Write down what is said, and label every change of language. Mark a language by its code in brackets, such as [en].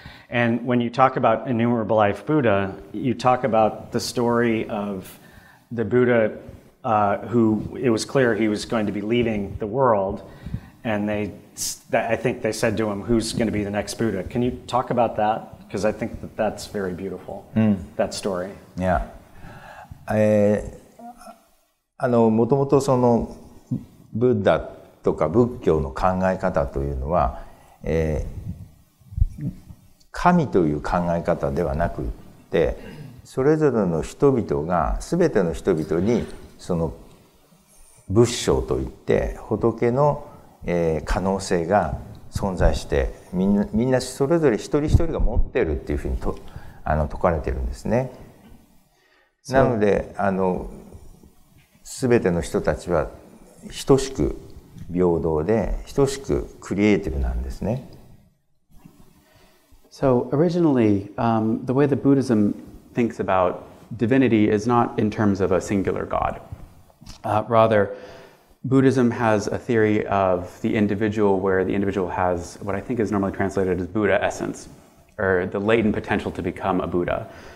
[en] And when you talk about Innumerable Life Buddha, you talk about the story of the Buddha who it was clear he was going to be leaving the world, and I think they said to him, who's going to be the next Buddha? Can you talk about that? Because I think that that's very beautiful, that story. Yeah. [ja] もともとそのブッダとか仏教の考え方というのは、神という考え方ではなくて、それぞれの人々が、すべての人々にその仏性といって仏の可能性が存在して、みんなそれぞれ一人一人が持ってるっていうふうに説かれてるんですね。なのですべての人たちは等しく平等で等しくクリエイティブなんですね。 [en] So originally, the way that Buddhism thinks about divinity is not in terms of a singular god. Rather,Buddhism has a theory of the individual where the individual has what I think is normally translated as Buddha essence, or the latent potential to become a Buddha.